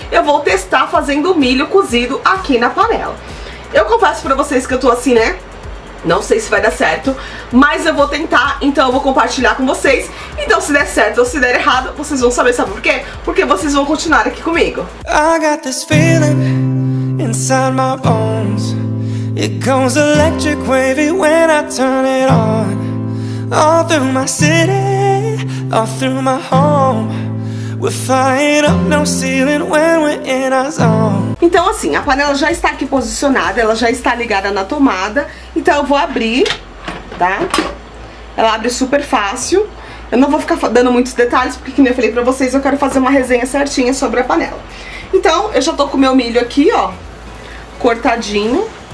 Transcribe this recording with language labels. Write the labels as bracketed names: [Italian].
[Portuguese] Eu vou testar fazendo milho cozido aqui na panela. Eu confesso pra vocês que eu tô assim, né, não sei se vai dar certo, mas eu vou tentar, então eu vou compartilhar com vocês. Então se der certo ou se der errado, vocês vão saber, sabe por quê? Porque vocês vão continuar aqui comigo. [English] I got this feeling inside my bones. It goes electric wavy when I turn it on. All through my city, all through my home. We're flying up no ceiling when we're in our zone. [Portuguese] Então assim, a panela já está aqui posicionada, ela já está ligada na tomada. Então eu vou abrir, tá? Ela abre super fácil. Eu não vou ficar dando muitos detalhes, porque como eu falei pra vocês, eu quero fazer uma resenha certinha sobre a panela. Então eu já tô com meu milho aqui, ó, cortadinho.